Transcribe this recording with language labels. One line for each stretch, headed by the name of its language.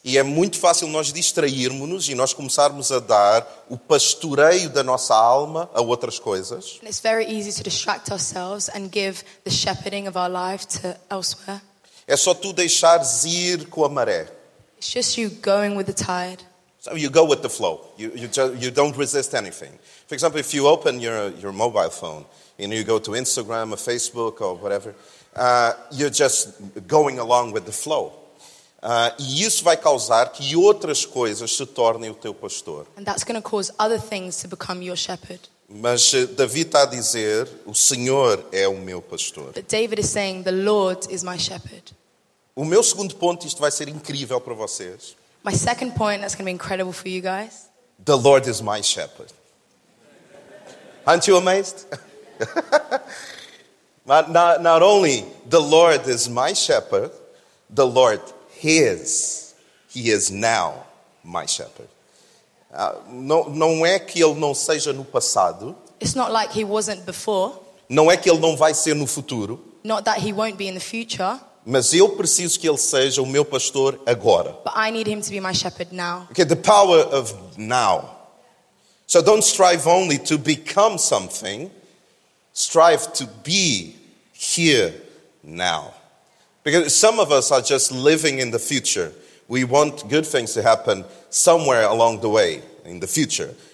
Portuguese: E é muito fácil nós distrairmos-nos e nós começarmos a dar o pastoreio da nossa alma a outras coisas.
English: And it's very easy to distract ourselves and give the shepherding of our life to elsewhere.
Portuguese: É só tu deixares ir com a maré.
English: It's just you going with the tide. So you go with the flow. You don't resist anything. For example, if you open your mobile phone and you go to Instagram or Facebook or whatever, you're just going along with the flow.
Portuguese: E isso vai causar que outras coisas se tornem o teu pastor.
English: And that's going to cause other things to become your shepherd.
Portuguese: Mas Davi está a dizer, o Senhor é o meu pastor.
English: But David is saying, the Lord is my shepherd.
Portuguese: O meu segundo ponto, isto vai ser incrível para vocês.
English: My second point, that's going to be incredible for you guys. The Lord is my shepherd. Aren't you amazed? Not only the Lord is my shepherd, the Lord is. He is now my shepherd.
Portuguese: Não é que ele não seja no passado.
English: It's not like he wasn't before.
Portuguese: Não é que ele não vai ser no futuro.
English: Not that he won't be in the future.
Portuguese: Mas eu preciso que ele seja o meu pastor agora.
English: But I need him to be my shepherd now. Okay, the power of now. So don't strive only to become something. Strive to be here now. Because some of us are just living in the future. We want good things to happen somewhere along the way, in the future.